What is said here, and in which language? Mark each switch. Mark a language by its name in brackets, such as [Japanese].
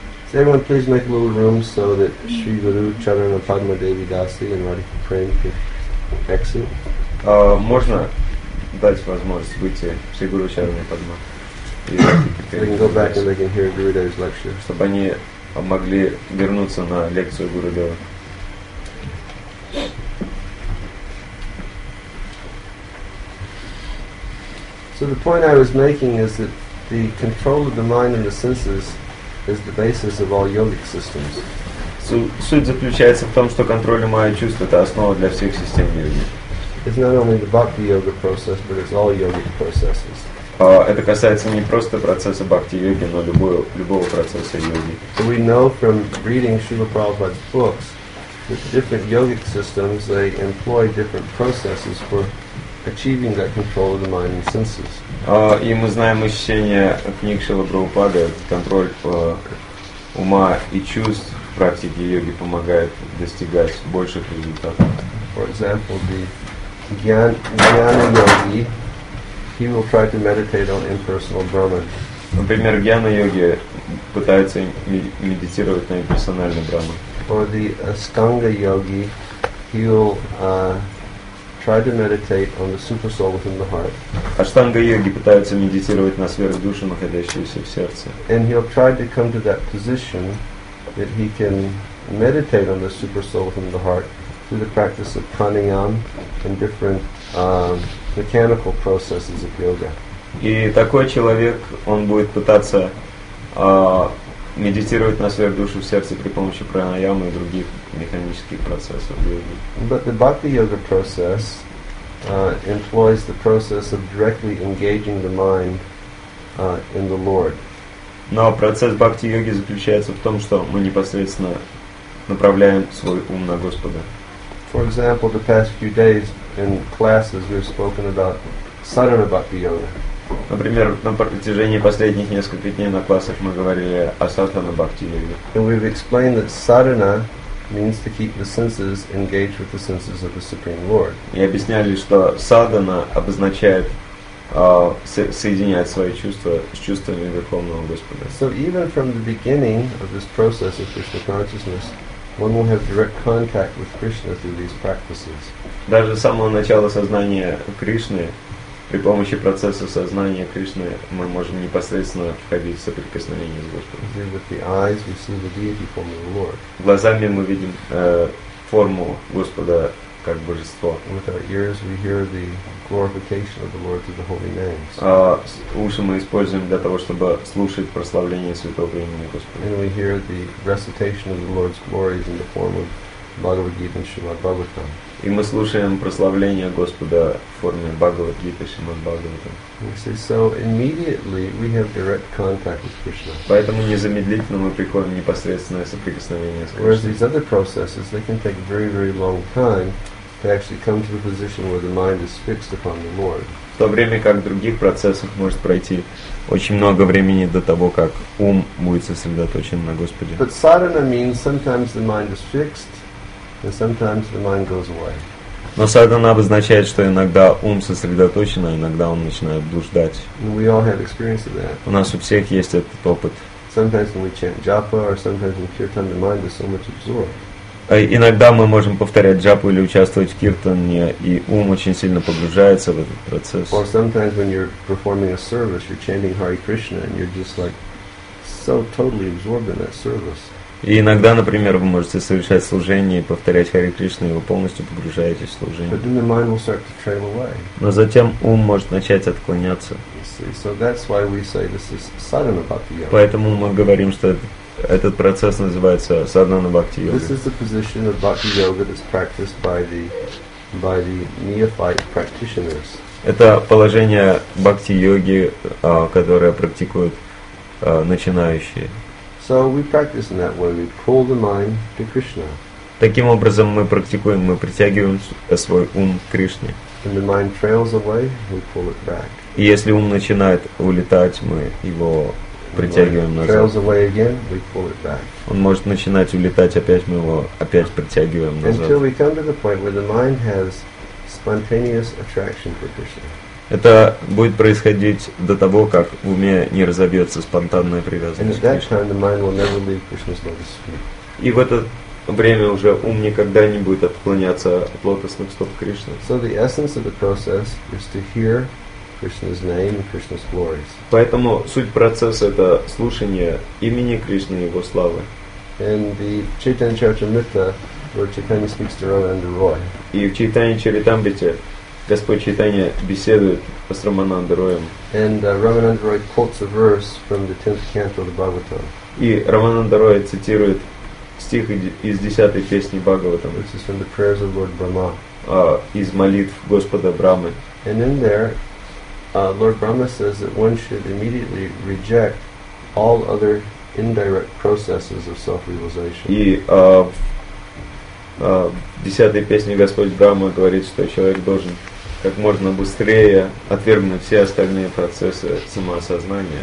[English] So everyone, please make a little room so that Sri Guru, Charan, and Padma Devi Dasi and Radhika Prem could exit. [Russian] Можно дать возможность выйти Sri Guru, Charan, and Padma. [English] They can go back and they can hear Gurudev's lecture. [Russian] Чтобы они могли вернуться на лекцию Гурудева. [English] So the point I was making is that the control of the mind and the senses is the basis of all yogic systems. [Russian] Суть заключается в том, что контроль ума и чувств – это основа для всех систем йоги. [English] It's not only the bhakti yoga process, but it's all yogic processes. [Russian] Это касается не просто процесса бхакти-йоги, но любого процесса йоги. [English] So we know from reading Srila Prabhupada's books that the different yogic systems, they employ different processes for achieving that control of the mind and senses. [Russian] И мы знаем из чтения книг Шрила Прабхупады, контроль ума и чувств в практике йоги помогает достигать больших результатов. [English] For example, the jnana yogi, he will try to meditate on impersonal Brahman. [Russian] Например, гьяна йоги пытается медитировать на имперсональный Брахман. [English] Or the Astanga yogi, he will try to meditate on the super soul within the heart. [Russian] Аштанга йоги пытается медитировать на сверхдушу, находящуюся в сердце. [English] And he'll try to come to that position that he can meditate on the super soul within the heart through the practice of pranayama and different mechanical processes of yoga. [Russian] И такой человек, он будет пытаться медитировать на свою душу в сердце при помощи пранаямы и других механических процессов йоги. [English] But the bhakti yoga process employs the process of directly engaging the mind in the Lord. [Russian] Но процесс бхакти йоги заключается в том, что мы непосредственно направляем свой ум на Господа. [English] For example, the past few days in classes we've spoken about sadhana bhakti yoga. [Russian] Например, на протяжении последних нескольких дней на классах мы говорили о sadhana bhakti yoga. [English] And we've explained that sadhana means to keep the senses engaged with the senses of the Supreme Lord. [Russian] И объясняли, что sadhana обозначает соединять свои чувства с чувствами Верховного Господа. [English] So even from the beginning of this process of Krishna consciousness, one will have direct contact with Krishna through these practices. [Russian] Даже с самого начала сознания Кришны, при помощи процесса сознания Кришны, мы можем непосредственно входить в соприкосновение с Господом. [English] With the eyes, we see the deity form of the Lord. [Russian] Глазами мы видим форму Господа как божество. [English] With our ears, we hear the glorification of the Lord through the holy names. [Russian] Уши мы используем для того, чтобы слушать прославление святого имени Господа. [English] And we hear the recitation of the Lord's glories in the form of Bhagavad-gita and Śrīmad-Bhāgavatam. [Russian] И мы слушаем прославление Господа в форме Бхагавад-гита, Śrīmad-Bhāgavatam. [English] We say, so immediately we have direct contact with Krishna. [Russian] Поэтому незамедлительно мы приходим непосредственное соприкосновение с Кришной. [English] Whereas these other processes, they can take very, very long time to actually come to the position where the mind is fixed upon the Lord. [Russian] В то время как в других процессах может пройти очень много времени до того, как ум будет сосредоточен на Господе. [English] But sadhana means sometimes the mind is fixed and sometimes the mind goes away. [Russian] Но садхана обозначает, что иногда ум сосредоточен, а иногда он начинает блуждать. [English] We all have experience of that. [Russian] У нас у всех есть этот опыт. [English] Sometimes when we chant japa or sometimes in kirtan, the mind is so much absorbed. [Russian] Иногда мы можем повторять джапу или участвовать в киртане, и ум очень сильно погружается в этот процесс. [English] Or sometimes when you're performing a service, you're chanting Hare Krishna, and you're just like so totally absorbed in that service. [Russian] И иногда, например, вы можете совершать служение, повторять Харе Кришну, и вы полностью погружаетесь в служение. [English] But then the mind will start to trail away. [Russian] Но затем ум может начать отклоняться. [English] So that's why we say this is sadhana bhakti yoga. [Russian] Поэтому мы говорим, что этот процесс называется садхана бхакти йога. [English] This is the position of bhakti yoga that's practiced by the neophyte practitioners. [Russian] Это положение бхакти йоги, которое практикуют начинающие. [English] So we practice in that way. We pull the mind to Krishna. [Russian] Таким образом мы практикуем, мы притягиваем свой ум к Кришне. [English] And the mind trails away, we pull it back. [Russian] И если ум начинает улетать, мы его притягиваем назад. [English] Trails away again, we pull it back. [Russian] Он может начинать улетать опять, мы его опять притягиваем назад. [English] Until we come to the point where the mind has spontaneous attraction for Krishna. [Russian] Это будет происходить до того, как в уме не разобьется спонтанная привязанность к Кришне. И в это время уже ум никогда не будет отклоняться от лотосных стоп Кришны. [English] So the essence of the process is to hear Krishna's name and Krishna's glories. [Russian] Поэтому суть процесса — это слушание имени Кришны и Его славы. [English] And the Chaitanya Charitamrita, where Chaitanya speaks to Ramananda Roy. [Russian] И в Чайтанья Чаритамрите Господь Чайтанья беседует с Рамананда Роем. [English] And Рамананда Рой quotes a verse from the 10th canto of the Bhagavatam. [Russian] И Рамананда Рой цитирует стих из 10-й песни Бхагаватам. [English] This is from the prayers of Lord Brahma. [Russian] Из молитв Господа Брамы. [English] And in there, Lord Brahma says that one should immediately reject all other indirect processes of self-realization. [Russian] И в 10-й песне Господь Брама говорит, что человек должен как можно быстрее отвергнуть все остальные процессы самоосознания.